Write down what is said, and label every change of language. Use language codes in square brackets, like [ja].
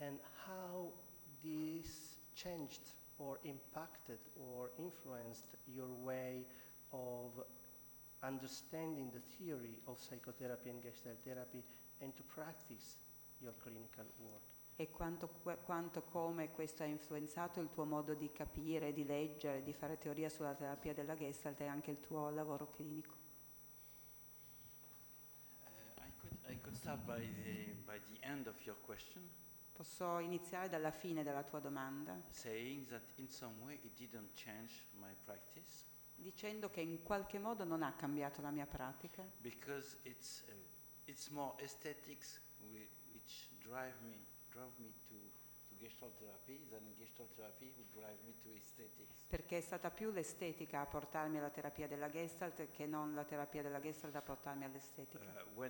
[en] And how this changed or impacted or influenced your way of understanding the theory of psychotherapy and Gestalt therapy and to practice your clinical work. [it] E quanto come questo ha influenzato il tuo modo di capire, di leggere, di fare teoria sulla terapia della Gestalt e anche il tuo lavoro clinico. [en] I could start by the end of your question. [it] Posso iniziare dalla fine della tua domanda? [en] Saying that in some way it didn't change my practice. [it] Dicendo che in qualche modo non ha cambiato la mia pratica. [en] Because it's more aesthetics which drive me to Gestalt therapy than Gestalt therapy would drive me to aesthetics. [it] Perché è stata più l'estetica a portarmi alla terapia della Gestalt che non la terapia della Gestalt a portarmi all'estetica.